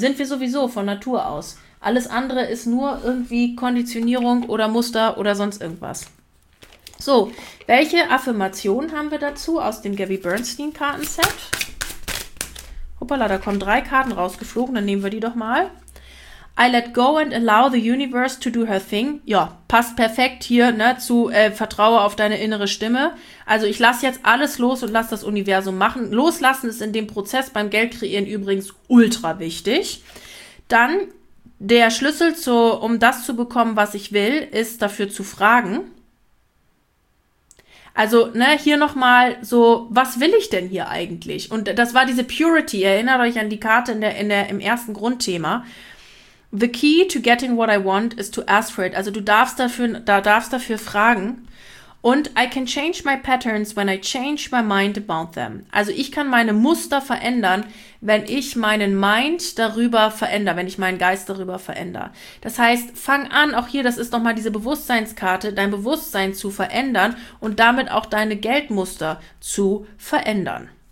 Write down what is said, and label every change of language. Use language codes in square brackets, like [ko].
[de] Sind wir sowieso von Natur aus. Alles andere ist nur irgendwie Konditionierung oder Muster oder sonst irgendwas. So, welche Affirmationen haben wir dazu aus dem Gabby Bernstein Kartenset? Hoppala, da kommen 3 Karten rausgeflogen, dann nehmen wir die doch mal. [en] I let go and allow the universe to do her thing. [de] Ja, passt perfekt hier, ne, zu Vertraue auf deine innere Stimme. Also ich lasse jetzt alles los und lasse das Universum machen. Loslassen ist in dem Prozess beim Geldkreieren übrigens ultra wichtig. Dann der Schlüssel, um das zu bekommen, was ich will, ist dafür zu fragen. Also ne, hier nochmal so, was will ich denn hier eigentlich? Und das war diese Purity. Erinnert euch an die Karte im ersten Grundthema. [en] The key to getting what I want is to ask for it. [de] Also du darfst dafür fragen. Und [en] I can change my patterns when I change my mind about them. [de] Also ich kann meine Muster verändern, wenn ich meinen Mind darüber verändere, wenn ich meinen Geist darüber verändere. Das heißt, fang an, auch hier, das ist nochmal diese Bewusstseinskarte, dein Bewusstsein zu verändern und damit auch deine Geldmuster zu verändern.